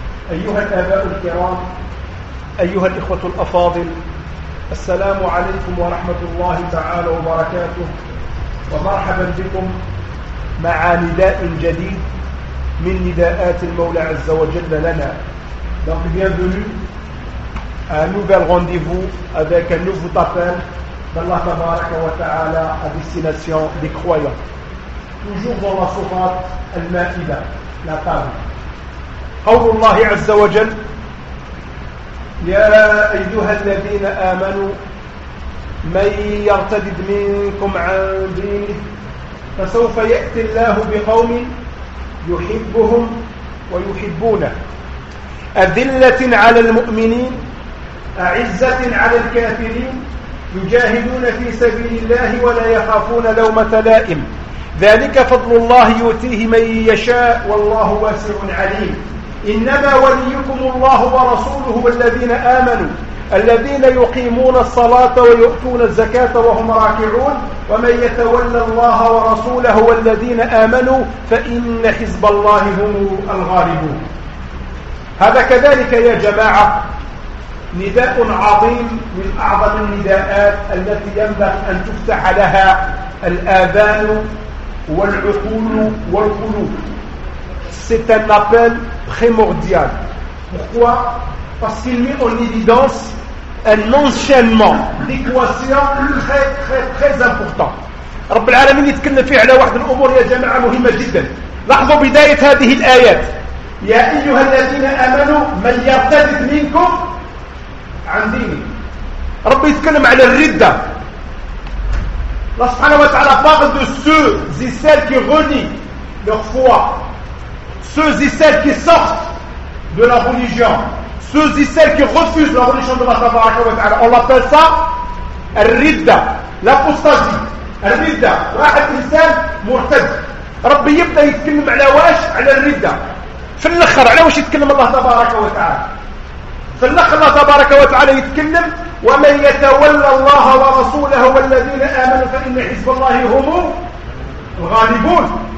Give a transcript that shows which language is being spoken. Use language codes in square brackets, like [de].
[ar] أيها الآباء الكرام، أيها الإخوة الأفاضل، السلام عليكم ورحمة الله تعالى وبركاته، ومرحبا بكم مع نداء جديد من نداءات المولى عز وجل لنا. [fr] Donc bienvenue à un nouvel rendez-vous avec un nouveau appel d'Allah tabaraka wa ta'ala à destination des croyants. Toujours dans la sourate Al-Ma'ida, la table. [ar] قول الله عز وجل: يا أيها الذين آمنوا من يرتد منكم عن دينه فسوف يأتي الله بقوم يحبهم ويحبونه أذلة على المؤمنين أعزة على الكافرين يجاهدون في سبيل الله ولا يخافون لومة لائم ذلك فضل الله يؤتيه من يشاء والله واسع عليم إنما وليكم الله ورسوله والذين آمنوا الذين يقيمون الصلاة ويؤتون الزكاة وهم راكعون ومن يتولى الله ورسوله والذين آمنوا فإن حزب الله هم الغالبون. هذا كذلك يا جماعة نداء عظيم من أعظم النداءات التي ينبغي أن تفتح لها الآذان والعقول والقلوب. [fr] C'est un appel primordial. Pourquoi ? Parce qu'il met en évidence un enchaînement d'équations très très très important. [ar] رب العالمين يتكلم فيه على واحد الأمور يا جماعة مهمة جدا. لاحظوا بداية هذه الآيات. يا أيها الذين آمنوا من يرتد منكم عن ديني. رب يتكلم على الردة. الله سبحانه وتعالى [fr] parle de ceux et celles qui renient leur foi. Ceux et celles qui sortent de la religion, ceux et celles qui refusent la religion de Allah tabaraka wa ta'ala, on l'appelle ça ar-ridda, l'apostasie. [ar] Ar-ridda, واحد انسان مرتد. ربي يبدا يتكلم على واش؟ على الردة. في الاخر على واش يتكلم الله تبارك وتعالى؟ في الاخر الله تبارك وتعالى يتكلم ومن يتولى الله ورسوله والذين امنوا فان حزب الله هم الغالبون.